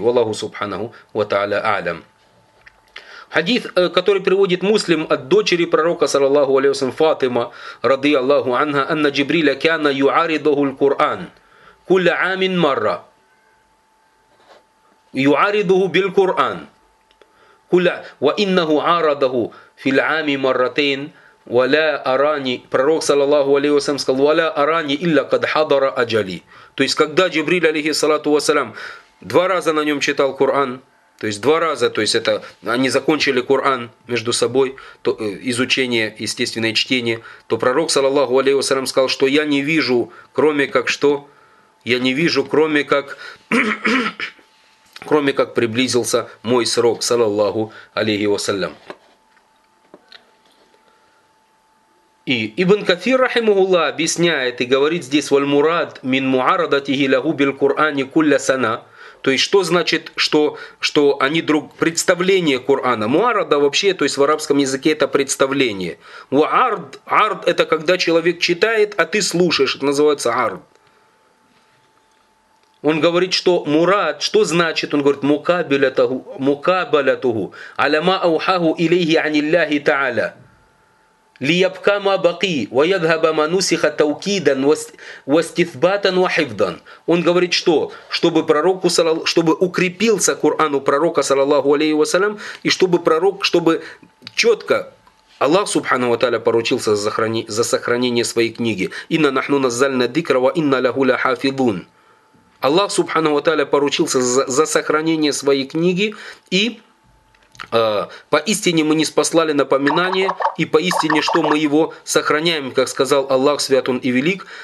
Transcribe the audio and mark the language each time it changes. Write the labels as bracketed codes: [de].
[ru] Валлаху субханаху ва тааля алям. Хадис, который приводит муслим от дочери пророка, саллаллаху алейхи вассалям, Фатима, ради Аллаху анха, [ar] анна Джибриля кяна юаридаху л-Куран, куля амин марра, юаридаху бил-Куран. وإنه عارضه في العام مرتين ولا أراني [ru] пророк саллаллаху алейхи ва саллям сказал [ar] ولا أراني إلا قد حضر أجلي. [ru] То есть когда Джибриль алейхиссалату ва саллям два раза на нем читал Коран, то есть два раза, то есть это они закончили Коран между собой, то изучение, естественное чтение, то пророк саллаллаху алейхи ва саллям сказал, что я не вижу, кроме как что? Я не вижу, кроме как кроме как приблизился мой срок, саллаллаху алейхи вассалям. И Ибн Кафир, рахимахулла, объясняет и говорит здесь, [ar] «Вальмурад мин муарадатихи лаху биль-Кур'ани кулля сана». [ru] То есть, что значит, что они друг... Представление Кур'ана. Муарада вообще, то есть в арабском языке это представление. Ва-ард, ард – это когда человек читает, а ты слушаешь, это называется ард. Он говорит, что мурад, что значит? Он говорит, [ar] мукабалятуху, аля ма аухаху илейхи аниллахи тааля. ليبقى ما بقي ويذهب ما نسخ توكيدا واستثباتا وحفظا. [ru] Он говорит, что чтобы пророку, чтобы укрепился Коран у пророка, саллаллаху алейхи вассалям, и чтобы пророк, чтобы четко Аллах Субхану ва Тааля поручился за сохранение своей книги. [ar] Инна нахну наззальна дикра ва инна лаху ля хафидун. [ru] Аллах Субхану ва Тааля поручился за сохранение своей книги, и поистине мы не спаслали напоминание, и поистине, что мы его сохраняем, как сказал Аллах, свят он и велик.